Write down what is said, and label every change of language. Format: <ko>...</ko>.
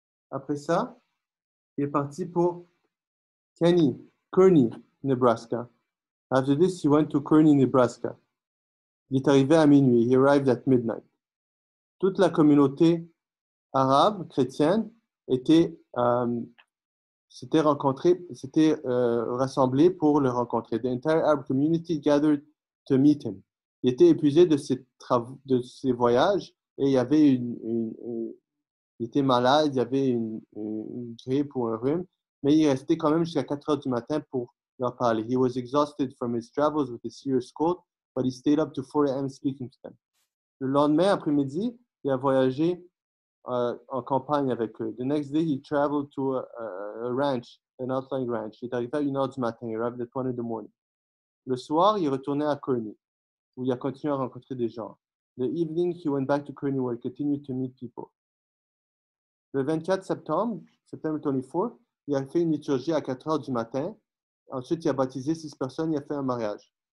<fr>Après ça, il est parti pour Kearney, Nebraska.</fr> <en>After this, he went to Kearney, Nebraska.</en> <fr>Il est arrivé à minuit.</fr> <en>He arrived at midnight.</en> <fr>Toute la communauté arabe, chrétienne, s'était rassemblée pour le rencontrer.</fr> <en>The entire Arab community gathered to meet him.</en> <fr>Il était épuisé de ses voyages et il avait il était malade, il avait une grippe ou un rhume, mais il restait quand même jusqu'à 4 heures du matin pour leur parler.</fr> <en>He was exhausted from his travels with a serious cold, but he stayed up to 4 a.m. speaking to them.</en> <fr>Le lendemain après-midi, il a voyagé en campagne avec eux.</fr> <en>The next day, he traveled to a ranch, an outlying ranch.</en> <fr>Il est arrivé à 1 heure du matin, il arrive</fr> <en>at 1 in the morning.</en> <fr>Le soir, il retournait à Kearney, où il a continué à rencontrer des gens.</fr> <en>The evening, he went back to Kearney, where he continued to meet people.</en> <fr>Le 24 septembre,</fr> <en>September 24,</en> <fr>il a fait une liturgie à 4 heures du matin. Ensuite, il a baptisé 6 personnes, il a fait un mariage.</fr>